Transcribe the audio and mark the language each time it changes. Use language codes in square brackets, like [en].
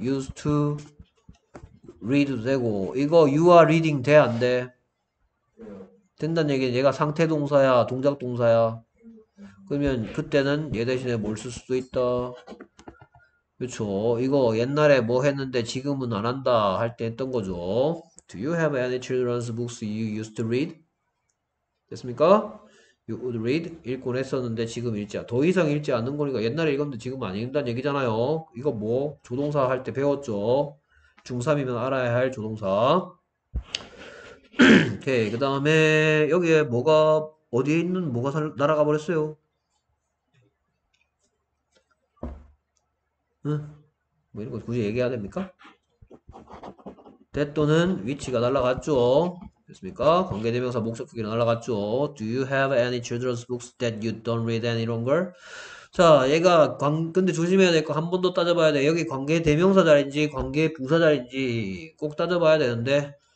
[en] used to read [ko] 도 되고 이거 [en] you are reading [ko] 돼안 돼? 된다는 얘기는 얘가 상태 동사야, 동작 동사야. 그러면 그때는 얘 대신에 뭘쓸 수도 있다. 그렇죠. 이거 옛날에 뭐 했는데 지금은 안 한다 할때 했던 거죠. [en] Do you have any children's books you used to read? [ko] 됐습니까? [en] You would read [ko] 읽곤 했었는데 지금 읽지 않. 더 이상 읽지 않는 거니까 옛날에 읽었는데 지금 안 읽는다는 얘기잖아요. 이거 뭐 조동사 할때 배웠죠. 중3이면 알아야 할 조동사. 오케이 그 다음에 여기에 뭐가 어디에 있는 뭐가 날아가 버렸어요 응뭐 이런 거 굳이 얘기해야 됩니까 that 또는 위치가 날아갔죠 됐습니까 관계대명사 목적격이 날아갔죠 [en] do you have any children's books that you don't read any longer [ko] 자 얘가 근데 조심해야 될거한번더 따져봐야 돼 여기 관계대명사 자리인지 관계부사 자리인지 꼭 따져봐야 되는데